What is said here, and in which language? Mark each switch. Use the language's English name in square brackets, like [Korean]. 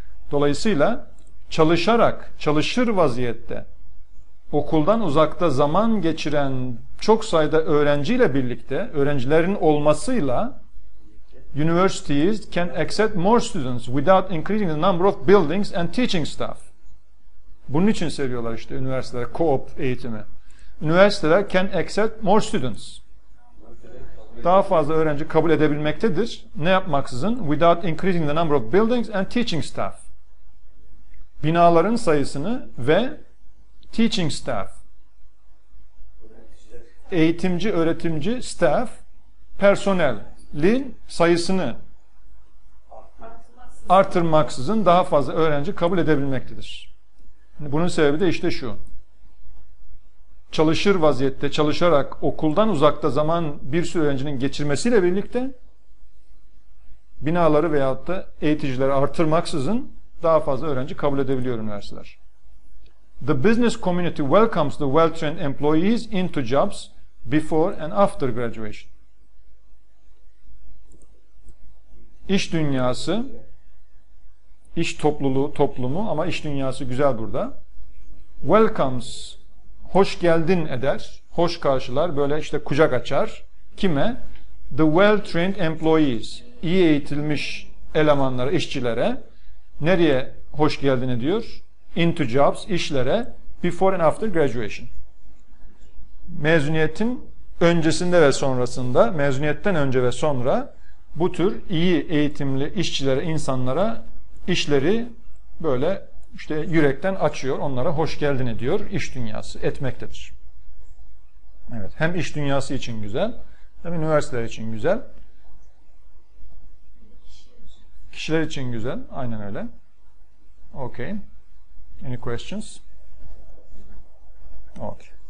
[Turkish] Dolayısıyla çalışarak, çalışır vaziyette okuldan uzakta zaman geçiren çok sayıda öğrenciyle birlikte, öğrencilerin olmasıyla [English] universities can accept more students without increasing the number of buildings and teaching staff. [Turkish] Bunun için seviyorlar işte üniversiteler, co-op eğitimi. [English] Üniversiteler can accept more students. [Turkish] Daha fazla öğrenci kabul edebilmektedir. Ne yapmaksızın? [English] Without increasing the number of buildings and teaching staff. [Turkish] Binaların sayısını ve [English] teaching staff. [Turkish] Eğitimci, öğretimci, staff, personelin sayısını artırmaksızın daha fazla öğrenci kabul edebilmektedir. Bunun sebebi de işte şu. Çalışır vaziyette, çalışarak okuldan uzakta zaman bir sürü öğrencinin geçirmesiyle birlikte binaları veyahut da eğiticileri artırmaksızın daha fazla öğrenci kabul edebiliyor üniversiteler. [English] The business community welcomes the well-trained employees into jobs before and after graduation. [Turkish] İş dünyası, iş topluluğu, toplumu ama iş dünyası güzel burada. Welcomes, hoş geldin eder, hoş karşılar, böyle işte kucak açar. Kime? [English] The well-trained employees, [Turkish] iyi eğitilmiş elemanlara, işçilere. Nereye hoş geldin diyor? [English] Into jobs, işlere, before and after graduation. [Turkish] Mezuniyetin öncesinde ve sonrasında, mezuniyetten önce ve sonra bu tür iyi eğitimli işçilere, insanlara işleri böyle işte yürekten açıyor, onlara hoş geldin diyor iş dünyası etmektedir. Evet, hem iş dünyası için güzel, hem üniversiteler için güzel. Kişiler için güzel, aynen öyle. [English] Okay. Any questions? Okay.